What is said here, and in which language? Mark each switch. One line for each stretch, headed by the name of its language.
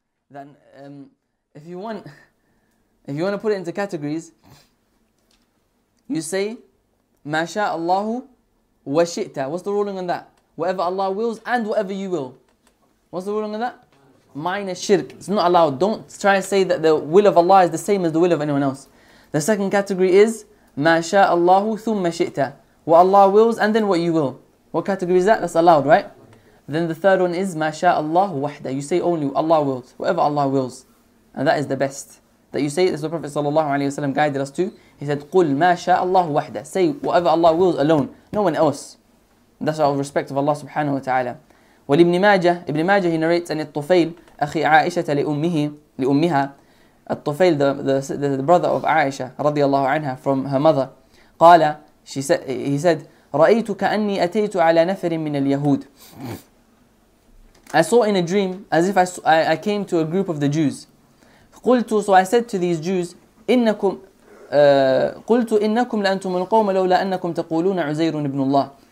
English: Then, if you want to put it into categories, you say,
Arabic: مَا شَاءَ اللَّهُ وَشِئْتَ.
English: What's the ruling on that? Whatever Allah wills and whatever you will. What's the ruling on that? Minor shirk. It's not allowed. Don't try to say that the will of Allah is the same as the will of anyone else. The second category is,
Arabic: مَا شَاءَ اللَّهُ ثُمَّ شِئْتَ.
English: What Allah wills and then what you will. What category is that? That's allowed, right? Then the third one is,
Arabic: مَا شَاءَ اللَّهُ وَحْدَ.
English: You say only Allah wills, whatever Allah wills. And that is the best. That you say, as the Prophet sallallahu alayhi wa sallam guided us to, he said,
Arabic: قُلْ مَا شَاءَ اللَّهُ وَحْدَ.
English: Say whatever Allah wills alone, no one else. And that's out of respect of Allah subhanahu wa ta'ala.
Arabic: وَلِبْنِ مَاجَهِ, Ibn Majah, he narrates, أَنِ الطُّفَيْلِ أَخِي عَائِشَةَ لِأُمِّهَا. الطُّفَيْلِ,
English: the brother of Aisha, رضي الله عنها, from her mother,
Arabic: قَالَ, He said, رَأَيْتُ كَأَنِّي أَتَيْتُ عَلَى نَفَرٍ مِّنَ الْيَهُودِ.
English: I saw in a dream as if I came to a group of the Jews.
Arabic: قُلْتُ,
English: so I said to these Jews,
Arabic: إِنَّكُمْ قُلْتُ إِنَّكُمْ لَأَنْتُمُ الْقَوْمَ لَوْلَا أَنَّكُمْ تَقُولُونَ عُزَيْرٌ ابْنُ اللَّهِ.